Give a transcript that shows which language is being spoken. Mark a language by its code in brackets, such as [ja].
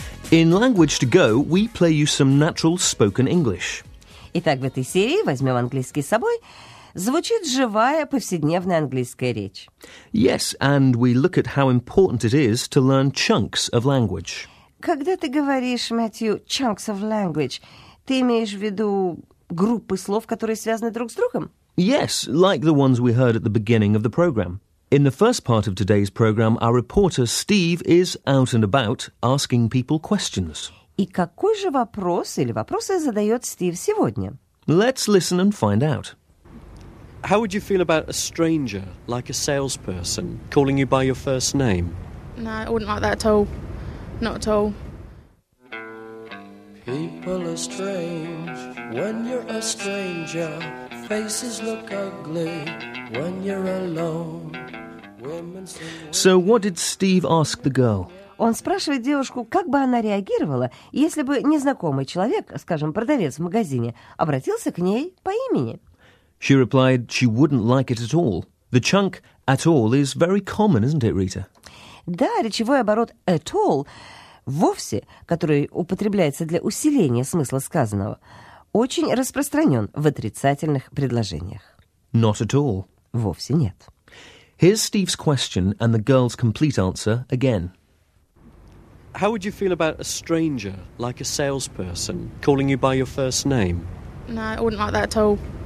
[en] In Language to Go, we play you some natural spoken English. [ru] Итак, в этой серии возьмем английский с собой. Звучит живая повседневная английская речь. [en] Yes, and we look at how important it is to learn chunks of language. [ru] Когда ты говоришь, Мэтью, [en] chunks of language, [ru] ты имеешь в виду группы слов, которые связаны друг с другом? [en] Yes, like the ones we heard at the beginning of the program. In the first part of today's program, our reporter Steve is out and about asking people questions. [ru] И какой же вопрос или вопросы задает Стив сегодня? [en] Let's listen and find out. How would you feel about a stranger, like a salesperson, calling you by your first name? No, I wouldn't like that at all. Not at all. People are strange when you're a stranger. Faces look ugly when you're alone. Women sing... So what did Steve ask the girl? [ru] Он спрашивает девушку, как бы она реагировала, если бы незнакомый человек, скажем, продавец в магазине, обратился к ней по имени. [en] She replied, she wouldn't like it at all. The chunk at all is very common, isn't it, Rita? [ru] Да, речевой оборот [en] at all, [ru] вовсе, который употребляется для усиления смысла сказанного, очень распространен в отрицательных предложениях. [en] Not at all. [ru] Вовсе нет. [en] Here's Steve's question and the girl's complete answer again. How would you feel about a stranger, like a salesperson, calling you by your first name? No, I wouldn't like that at all.